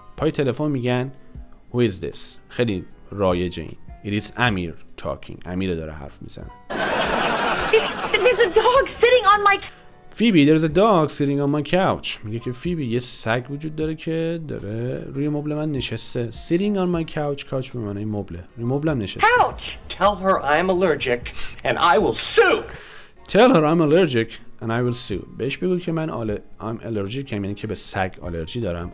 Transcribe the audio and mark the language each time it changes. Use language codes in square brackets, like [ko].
[fa] پای تلفن میگن [en] who is this. [fa] خیلی رایجه این. [en] It is Amir talking. [fa] امیر داره حرف میزنه. [en] There's a dog sitting on my Phoebe, there's a dog sitting on my couch. [fa] میگه که فیبی یه سگ وجود داره که داره روی مبل من نشسته. [en] Sitting on my couch. [fa] couch به معنی مبل. روی مبلم نشسته. [en] Couch. Tell her I'm allergic and I will sue. Tell her I'm allergic and I will sue. [fa] بهش بگو که من [en] I'm allergic [fa] هم، یعنی که به سگ آلرژی دارم.